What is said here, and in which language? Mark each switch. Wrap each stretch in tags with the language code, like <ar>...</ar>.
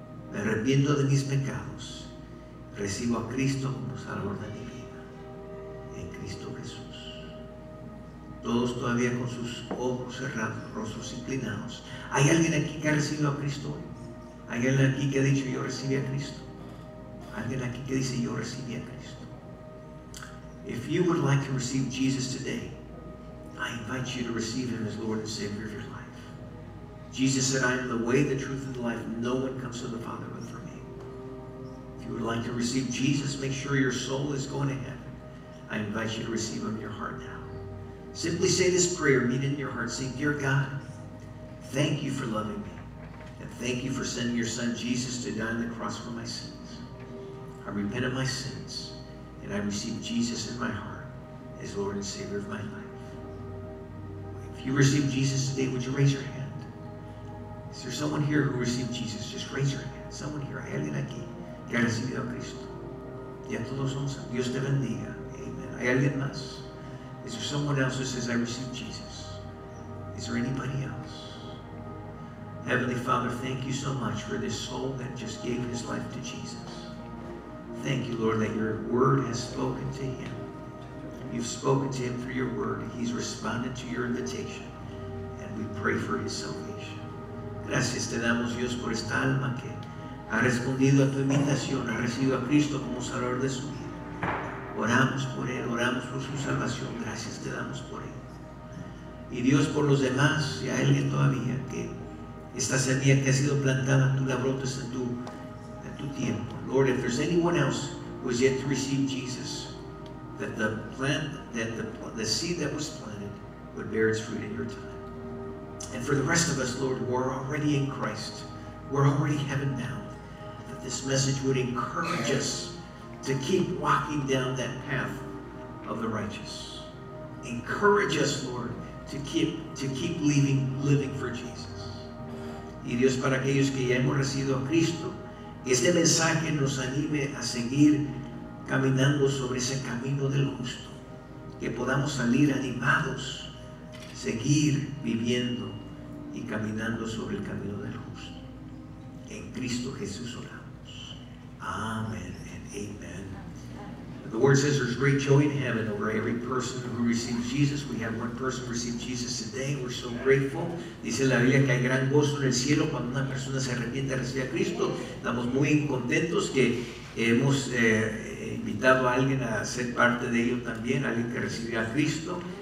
<es>Me arrepiento de mis pecados, recibo a Cristo como Salvador de mi vida, en Cristo Jesús. Todos todavía con sus ojos cerrados, rostros inclinados. ¿Hay alguien aquí que ha recibido a Cristo hoy? ¿Hay alguien aquí que ha dicho: yo recibí a Cristo? ¿Alguien aquí que dice: yo recibí a Cristo?</es> <en>If you would like to receive Jesus today, I invite you to receive Him as Lord and Savior of your life. Jesus said, I am the way, the truth, and the life. No one comes to the Father but through me. If you would like to receive Jesus, make sure your soul is going to heaven. I invite you to receive Him in your heart now. Simply say this prayer, mean it in your heart. Say: dear God, thank you for loving me, and thank you for sending your son Jesus to die on the cross for my sins. I repent of my sins, and I receive Jesus in my heart as Lord and Savior of my life. If you receive Jesus today, would you raise your hand? Is there someone here who received Jesus? Just raise your hand. Someone here.</en> <es>¿Hay alguien aquí que ha recibido a Cristo? Ya todos somos. Dios te bendiga. Amen. ¿Hay alguien más?</es> <en>Is there someone else who says, I received Jesus? Is there anybody else? Heavenly Father, thank you so much for this soul that just gave his life to Jesus. Thank you, Lord, that your word has spoken to him. You've spoken to him through your word. He's responded to your invitation. And we pray for his salvation.</en> <es>Gracias te damos, Dios, por esta alma que ha respondido a tu invitación, ha recibido a Cristo como Salvador de su vida. Oramos por él, oramos por su salvación. Gracias te damos por él. Y Dios, por los demás, y a alguien todavía que esta semilla que ha sido plantada, tú la brotas en tu tiempo.</es> <en>Lord, if there's anyone else who has yet to receive Jesus, that the plant, that the seed that was planted would bear its fruit in your time. And for the rest of us, Lord, who are already in Christ, we're already heaven bound, that this message would encourage us to keep walking down that path of the righteous. Encourage us, Lord, to keep living for Jesus.</en> <es>Y Dios, para aquellos que ya hemos recibido a Cristo, este mensaje nos anime a seguir caminando sobre ese camino del justo, que podamos salir animados, seguir viviendo y caminando sobre el camino del justo. En Cristo Jesús oramos.</es> <en>Amen and amen. The word says there's great joy in heaven over every person who receives Jesus. We have one person who received Jesus today. We're so grateful.</en> <es>Dice la Biblia que hay gran gozo en el cielo cuando una persona se arrepiente y recibe a Cristo. Estamos muy contentos que hemos invitado a alguien a ser parte de ello también, alguien que recibió a Cristo.</es>